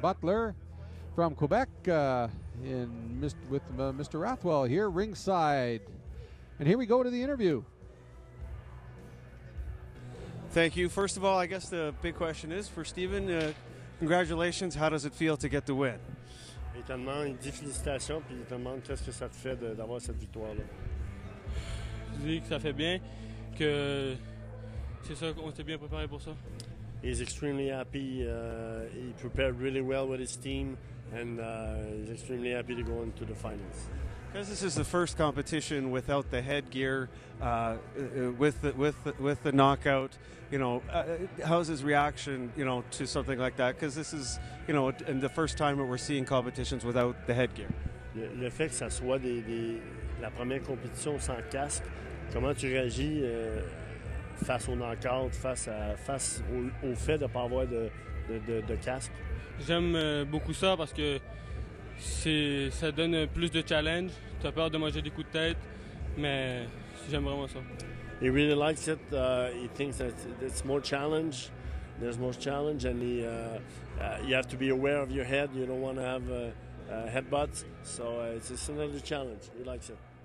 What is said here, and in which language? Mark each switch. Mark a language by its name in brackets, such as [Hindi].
[English] Butler from Quebec with Mr. Rathwell here ringside. And here we go to the interview. Thank you. First of all, I guess the big question is for Steven, congratulations. How does it feel to get the win? [French] Étonnement, une dit félicitations, puis il te demande qu'est-ce que ça te fait d'avoir cette victoire-là. Je dis que ça fait bien, que c'est ça qu'on s'était bien préparé pour ça. [English] He's extremely happy. He prepared really well with his team, and he's extremely happy to go into the finals. Because this is the first competition without the headgear, with the knockout, how's his reaction, to something like that? Because this is, and the first time that we're seeing competitions without the headgear. [French] Le fait que ça soit la première compétition sans casque, comment tu réagis face au knockout, face au fait de pas avoir de casque? J'aime beaucoup ça parce que ça donne plus de challenge. Tu as peur de manger des coups de tête, mais j'aime vraiment ça. [English] He really likes it. He thinks that it's more challenge. There's more challenge, and you have to be aware of your head. You don't want to have a headbutt. So it's another challenge. He likes it.